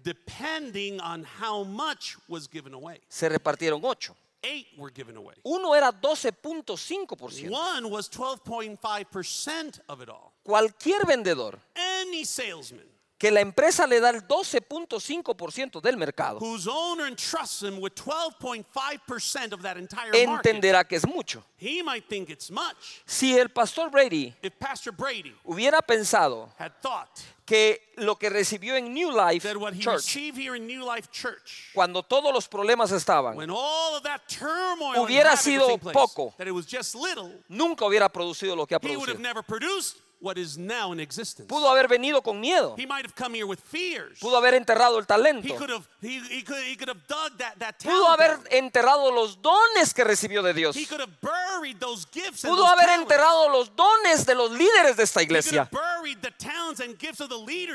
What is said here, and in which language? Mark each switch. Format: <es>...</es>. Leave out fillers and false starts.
<en>Depending on how much was given away.</en> <es>Se repartieron 8.</es> <en>8 were given away.</en> <es>Uno era 12.5%.</es> <en>One was 12.5% of it all.</en> <es>Cualquier vendedor,</es> <en>any salesman,</en> <es>que la empresa le da el 12.5% del mercado,</es> <en>whose owner entrusts him with 12.5% of that entire market,</en> <es>entenderá que es mucho.</es> <en>He might think it's much.</en> <es>Si el pastor Brady,</es> <en>if Pastor Brady</en> <es>hubiera pensado,</es> <en>had thought,</en> <es>que lo que recibió en New Life,</es> <en>that what he Church, received here in New Life Church,</en> <es>cuando todos los problemas estaban,</es> <en>when all of that turmoil</en> <es>hubiera sido poco,</es> <en>that it was just little,</en> <es>nunca hubiera producido lo que ha producido.</es> <en>He would have never produced what is now in existence.</en> <es>Pudo haber venido con miedo.</es> <en>He might have come here with fears.</en> <es>Pudo haber enterrado el talento.</es> <en>He could have dug that talent.</en> <es>Pudo haber enterrado los dones que recibió de Dios.</es> <en>He could have buried those gifts.</en> <es>Pudo haber</es> <en>talents.</en> <es>Enterrado los dones de los líderes de esta iglesia.</es> <en>He could have buried the talents and gifts of the leaders.</en>